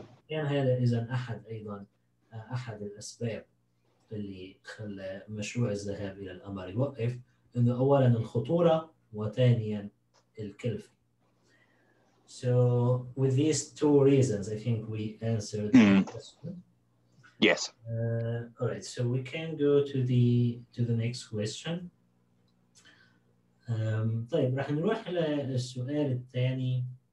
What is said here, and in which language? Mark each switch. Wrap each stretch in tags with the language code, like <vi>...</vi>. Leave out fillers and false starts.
<ar>يعني هذا إذن أحد الأسباب اللي خلى مشروع الذهاب إلى القمر يوقف، إنه أولاً الخطورة وثانياً الكلفة.</ar> <en>So with these two reasons, I think we answered the question. Yes. All right. So we can go to the next question.</en> <ar>طيب راح نروح للسؤال الثاني.</ar>